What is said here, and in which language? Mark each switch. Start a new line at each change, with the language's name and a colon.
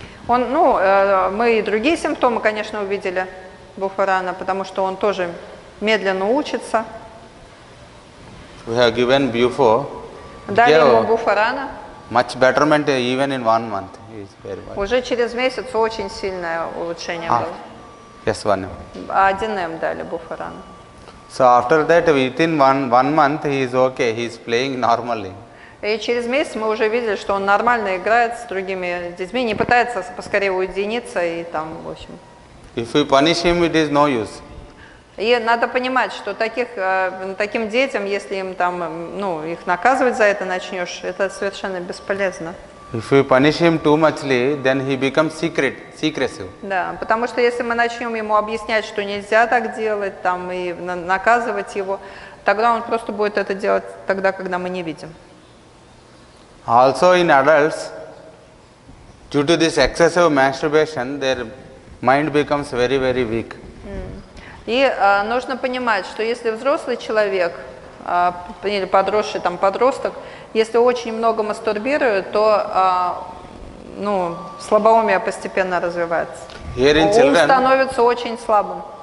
Russian: Он, ну, мы и другие симптомы, конечно, увидели Буфарана, потому что он тоже медленно учится.
English: We have given Bufo.
Russian: Дали ему Буфарана.
English: Much betterment even in 1 month. He's very well.
Russian: Уже через месяц очень сильное улучшение было.
English: Yes, 1 M.
Russian: 1 M дали Буфарана.
English: So after that, within one month, he is okay. He is playing normally.
Russian: И через месяц мы уже видели, что он нормально играет с другими детьми, не пытается поскорее уединиться и там, в общем.
English: If we punish him, it is no use.
Russian: И надо понимать, что таким детям, если им там, ну, их наказывать за это начнешь, это совершенно бесполезно.
English: If we punish him too muchly, then he becomes secretive.
Russian: Да, потому что если мы начнем ему объяснять, что нельзя так делать, там, и наказывать его, тогда он просто будет это делать тогда, когда мы не видим.
English: Also in adults, due to this excessive masturbation, their mind becomes very, very weak.
Russian: И нужно понимать, что если взрослый человек, или подросший, там, подросток, если очень много мастурбирует, то, ну, слабоумие постепенно развивается.
English: Here in children,
Russian: ум становится очень слабым.